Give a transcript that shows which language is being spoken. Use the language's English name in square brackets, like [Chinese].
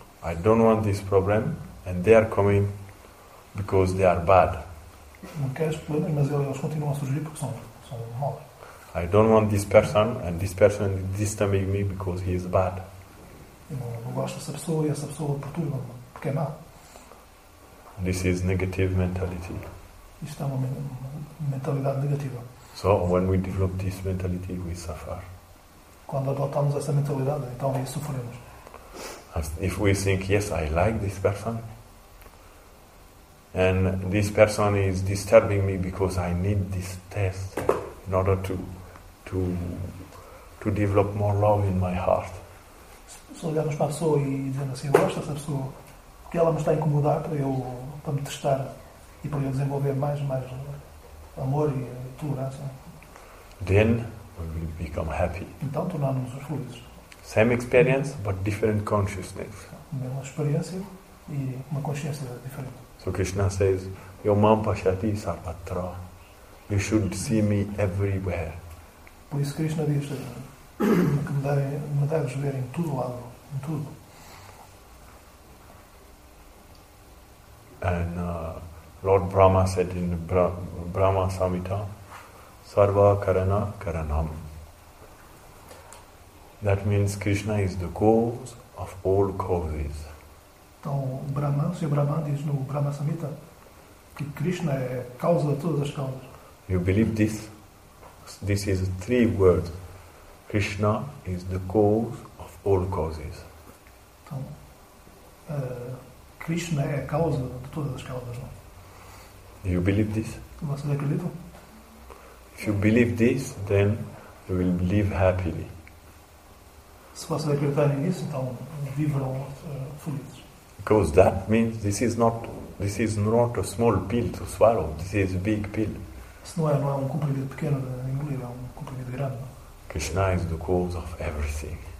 [English] I don't want this problem, and they are coming because they are bad. [Portuguese] Não quero esses problemas, mas eles continuam a surgir porque são maus. [English] I don't want this person, and this person is disturbing me because he is bad. [Portuguese] Não gosto dessa pessoa e essa pessoa perturba-me porque é má. [English] This is negative mentality. [Portuguese] Isto é uma mentalidade negativa. [English] So when we develop this mentality, we suffer. [Portuguese] Quando adotamos essa mentalidade, então aí sofremos. [English] As if we think, yes, I like this person, and this person is disturbing me because I need this test in order to develop more love in my heart. [Portuguese] Se olharmos para a pessoa e dizendo assim, eu gosto dessa pessoa, porque ela me está a incomodar para me testar e para eu desenvolver mais amor e tolerância. [English] Then we will become happy. [Portuguese] Então tornamos-nos felizes. [English] Same experience, but different consciousness. [Portuguese] Mesma experiência e uma consciência diferente. [English] So Krishna says, [Sanskrit] Yo mam pashati sarvatra. [English] You should see me everywhere. [Portuguese] Por isso Krishna diz que me deves ver em todo lado, em tudo. [English] And Lord Brahma said in Brahma Samhita, [Sanskrit] Sarva Karana Karanam. [English] That means Krishna is the cause of all causes. [Portuguese] Então, Brahma, o Sr. Brahma diz no Brahma Samhita que Krishna é a causa de todas as causas. [English] You believe this? This is three words. Krishna is the cause of all causes. [Portuguese] Então, Krishna é a causa de todas as causas. Não? [English] Do you believe this? [Portuguese] Vocês acreditam? [English] If you believe this, then you will live happily. [Portuguese] Se vocês acreditarem nisso, então viverão felizes. [English] Because that means this is not a small pill to swallow. This is a big pill. [Portuguese] Se não é um comprimido pequeno de engolir, é um comprimido grande. Não? [English] Krishna is the cause of everything.